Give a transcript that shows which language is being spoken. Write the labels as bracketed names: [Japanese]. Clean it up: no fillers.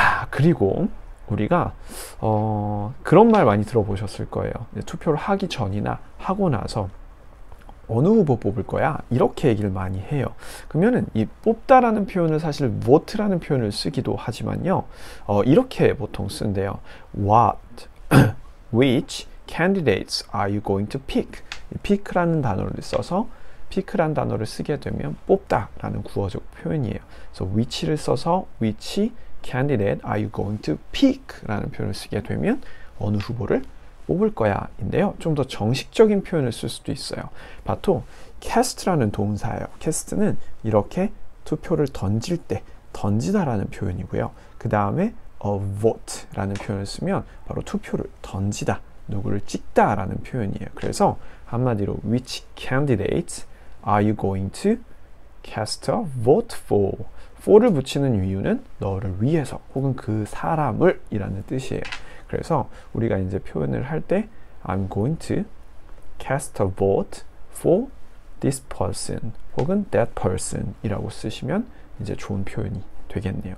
[Korean] 그리고 우리가 그런 말 많이 들어보셨을 거예요. 이제 투표를 하기 전이나 하고 나서 어느 후보 뽑을 거야? 이렇게 얘기를 많이 해요. 그러면은 이 뽑다라는 표현을 사실 vote라는 표현을 쓰기도 하지만요. 이렇게 보통 쓴대요. [English] What, which candidates are you going to pick? [Korean] pick라는 단어를 써서 pick란 단어를 쓰게 되면 뽑다라는 구어적 표현이에요. 그래서 which를 써서 [English] which candidate are you going to pick [Korean] 라는 표현을 쓰게 되면 어느 후보를 뽑을 거야인데요. 좀더 정식적인 표현을 쓸 수도 있어요. 바로 cast라는 동사예요. cast는 이렇게 투표를 던질 때 던지다라는 표현이고요. 그 다음에 a vote라는 표현을 쓰면 바로 투표를 던지다, 누구를 찍다라는 표현이에요. 그래서 한마디로 [English] which candidate are you going to cast a vote for? [Korean] for를 붙이는 이유는 너를 위해서 혹은 그 사람을이라는 뜻이에요. 그래서 우리가 이제 표현을 할 때, [English] I'm going to cast a vote for this person [Korean] 혹은 [English] that person [Korean] 이라고 쓰시면 이제 좋은 표현이 되겠네요.